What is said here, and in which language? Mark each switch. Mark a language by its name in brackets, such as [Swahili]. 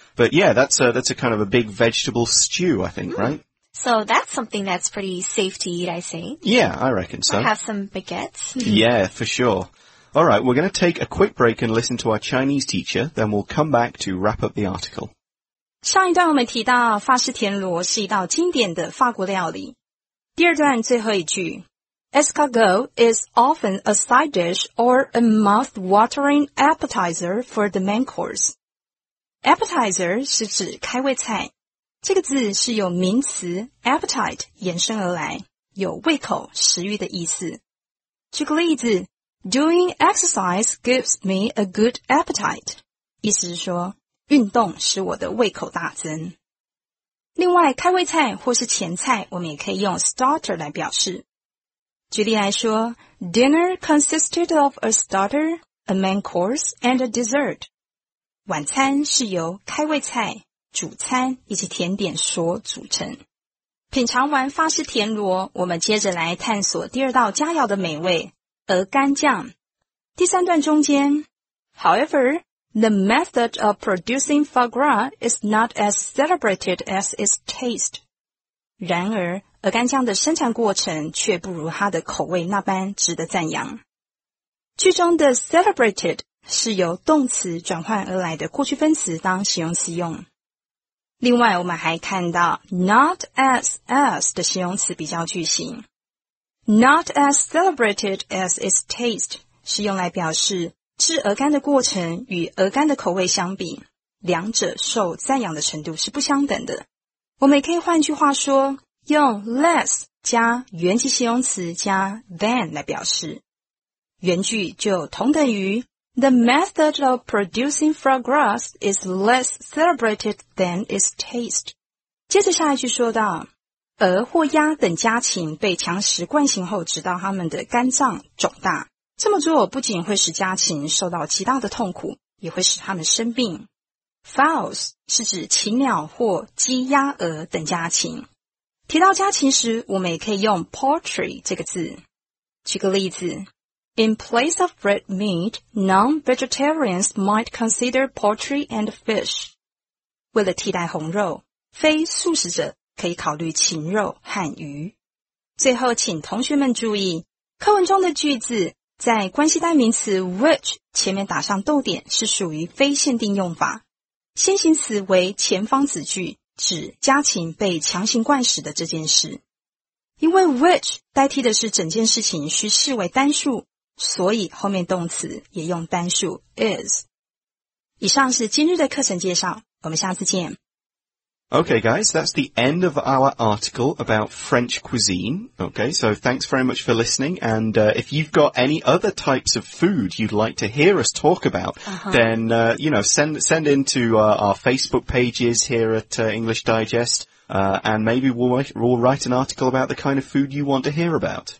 [English] But yeah, that's a kind of a big vegetable stew, I think, right? So that's something that's pretty safe to eat, I say. Yeah, I reckon so. Or have some baguettes. Yeah, for sure. All right, we're going to take a quick break and listen to our Chinese teacher, then we'll come back to wrap up the article. [Chinese] 上一段我们提到法式田螺是一道经典的法国料理。第二段最后一句 [English] Escargot is often a side dish or a mouth-watering appetizer for the main course. [Chinese] Appetizer 是指开胃菜，这个字是由名词 appetite 衍生而来，有胃口、食欲的意思。举个例子， [English] Doing exercise gives me a good appetite， [Chinese] 意思是说运动使我的胃口大增。另外，开胃菜或是前菜，我们也可以用 starter 来表示。 [English] 举例来说， Dinner consisted of a starter, a main course, and a dessert。 [Chinese] 晚餐是由开胃菜、主餐以及甜点所组成。品尝完法式田螺，我们接着来探索第二道佳肴的美味——鹅肝酱。第三段中间 ，However。 [English] The method of producing foie gras is not as celebrated as its taste. [Chinese] 然而，鹅肝酱的生产过程却不如它的口味那般值得赞扬。句中的 celebrated 是由动词转换而来的过去分词当形容词用。另外，我们还看到 not as 的形容词比较句型。 [English] Not as celebrated as its taste [Chinese] 是用来表示制鹅肝的过程与鹅肝的口味相比，两者受赞扬的程度是不相等的。我们也可以换句话说，用 less 加原级形容词加 than 来表示。原句就同等于 [English] The method of producing foie gras is less celebrated than its taste。 [Chinese] 接着下一句说到，鹅或鸭等家禽被强食惯性后，直到它们的肝脏肿大。这么做不仅会使家禽受到极大的痛苦，也会使他们生病。 Fowls 是指禽鸟或鸡、鸭、鹅等家禽。提到家禽时，我们也可以用 poultry 这个字。举个例子 [English] ，In place of red meat, non-vegetarians might consider poultry and fish。 [Chinese] 为了替代红肉，非素食者可以考虑禽肉和鱼。最后，请同学们注意课文中的句子。在关系代名词 which 前面打上逗点是属于非限定用法，先行词为前方子句，指家禽被强行灌食的这件事。因为 which 代替的是整件事情需视为单数，所以后面动词也用单数 is。以上是今日的课程介绍，我们下次见。 [English] Okay, guys, that's the end of our article about French cuisine. Okay, so thanks very much for listening. And, if you've got any other types of food you'd like to hear us talk about, then, you know, send into, our Facebook pages here at, English Digest, and maybe we'll write an article about the kind of food you want to hear about.